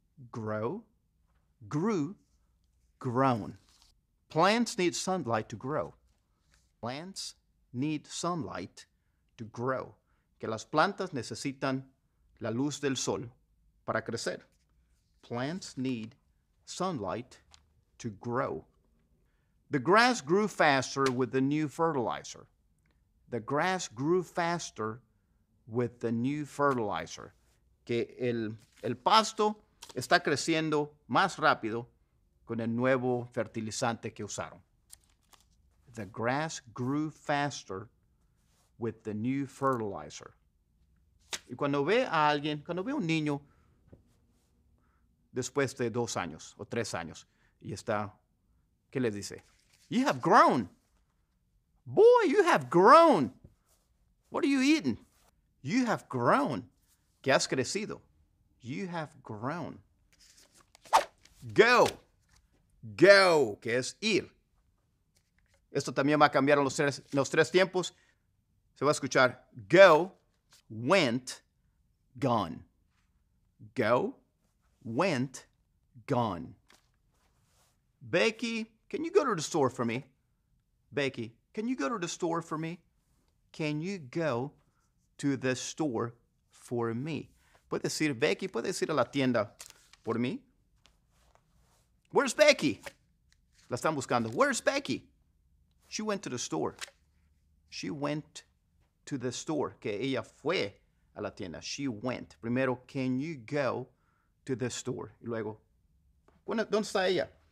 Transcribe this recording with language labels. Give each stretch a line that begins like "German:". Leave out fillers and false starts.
English: Grow, grew, grown. Plants need sunlight to grow. Plants need sunlight to grow.
Spanish: Que las plantas necesitan la luz del sol para crecer.
English: Plants need sunlight to grow. The grass grew faster with the new fertilizer. The grass grew faster with the new fertilizer.
Spanish: Que el pasto está creciendo más rápido con el nuevo fertilizante que usaron.
English: The grass grew faster with the new fertilizer.
Spanish: Y cuando ve a alguien, cuando ve a un niño después de 2 años o 3 años, y está, ¿qué le dice?
English: You have grown. Boy, you have grown. What are you eating? You have grown.
Spanish: ¿Qué has crecido?
English: You have grown. Go.
Spanish: Go, que es ir. Esto también va a cambiar en los tres tiempos. Se va a escuchar go, went, gone.
English: Go, went, gone. Becky, can you go to the store for me? Becky, can you go to the store for me? Can you go to the store for me?
Spanish: Puedes ir, Becky, puedes ir a la tienda por mí.
English: Where's Becky?
Spanish: La están buscando.
English: Where's Becky? She went to the store. She went to the store.
Spanish: Que ella fue a la tienda.
English: She went.
Spanish: Primero,
English: can you go to the store?
Spanish: Y luego, ¿dónde está ella?